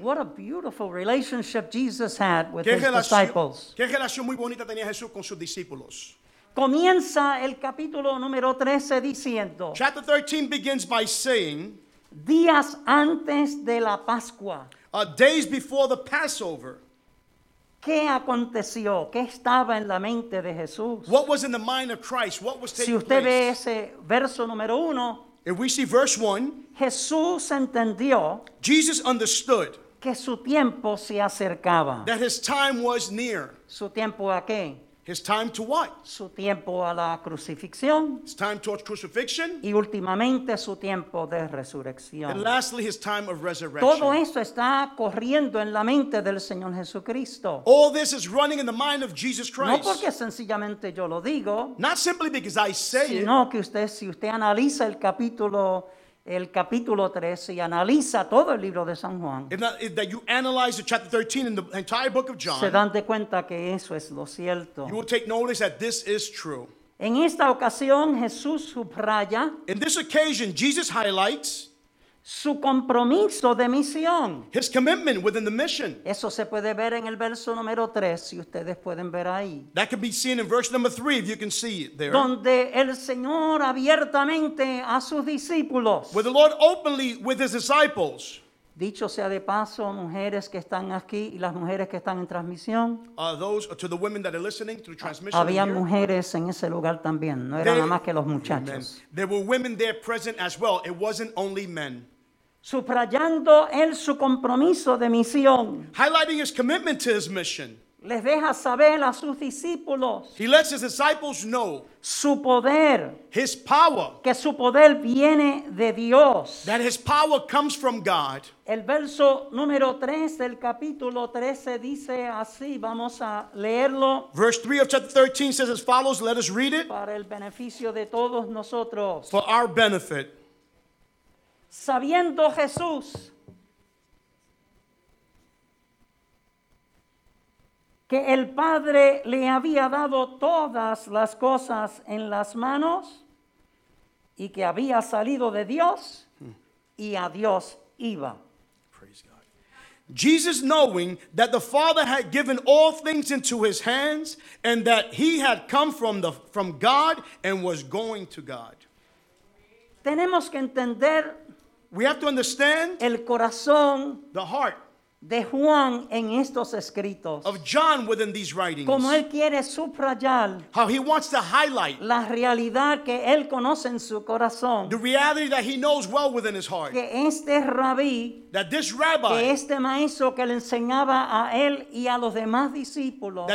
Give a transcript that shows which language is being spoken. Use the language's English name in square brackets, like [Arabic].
[English] What a beautiful relationship Jesus had with his disciples. [Spanish] Qué relación muy bonita tenía Jesús con sus discípulos. Comienza el capítulo número 13 diciendo, [English] chapter 13 begins by saying, [Spanish] días antes de la Pascua, [English] days before the Passover, [Spanish] ¿qué aconteció? ¿Qué estaba en la mente de Jesús? [English] What was in the mind of Christ? What was taking place? [Spanish] Si usted ve ese verso número 1, [English] if we see verse 1, [Spanish] Jesús entendió, [English] Jesus understood, [Spanish] que su tiempo se acercaba, [English] that his time was near. [Spanish] ¿Su tiempo a qué? [English] His time to what? [Spanish] Su tiempo a la crucifixión. [English] His time towards crucifixion. [Spanish] Y últimamente su tiempo de resurrección. [English] And lastly, his time of resurrection. [Spanish] Todo esto está corriendo en la mente del Señor Jesucristo. [English] All this is running in the mind of Jesus Christ. [Spanish] No porque sencillamente yo lo digo. [English] Not simply because I say [Spanish] sino [English] it. [Spanish] Sino que usted, si usted analiza el capítulo 13 y analiza todo el libro de San Juan. [English] If you analyze the chapter 13 in the entire book of John. [Spanish] Se dan de cuenta que eso es lo cierto. [English] You will take notice that this is true. [Spanish] En esta ocasión Jesús subraya. [English] In this occasion Jesus highlights. [Spanish] Su compromiso de misión. [English] His commitment within the mission. [Spanish] Eso se puede ver en el verso número 3 si ustedes pueden ver ahí. [English] That can be seen in verse number 3 if you can see it there. [Spanish] Donde el Señor abiertamente a sus discípulos. [English] Where the Lord openly with his disciples. [Spanish] Dicho sea de paso, mujeres que están aquí y las mujeres que están en transmisión. [English] To the women that are listening through transmission. [Spanish] Había mujeres en ese lugar también, no eran nada más que los muchachos. [English] Amen. There were women there present as well. It wasn't only men. [Spanish] Subrayando él su compromiso de misión. [English] Highlighting his commitment to his mission. [Spanish] Les deja saber a sus discípulos. [English] He lets his disciples know. [Spanish] Su poder. [English] His power. [Spanish] Que su poder viene de Dios. [English] That his power comes from God. [Spanish] El verso número 3 del capítulo 13 dice así. Vamos a leerlo. [English] Verse 3 of chapter 13 says as follows. Let us read it. [Spanish] Para el beneficio de todos nosotros. [English] For our benefit. [Spanish] Sabiendo Jesús. Que el Padre le había dado todas las cosas en las manos y que había salido de Dios y a Dios iba. [English] Praise God. Jesus, knowing that the Father had given all things into his hands and that he had come from God and was going to God. [Spanish] Tenemos que entender. [English] We have to understand. [Spanish] El corazón. [English] The heart. [Spanish] De Juan en estos escritos. [English] Of John within these writings. [Spanish] Como él quiere subrayar. [English] How he wants to highlight. [Spanish] La realidad que él conoce en su corazón. [English] The reality that he knows well within his heart. [Spanish] Que este rabí. [English] That this rabbi. [Spanish] Que este maestro que le enseñaba a él y a los demás discípulos.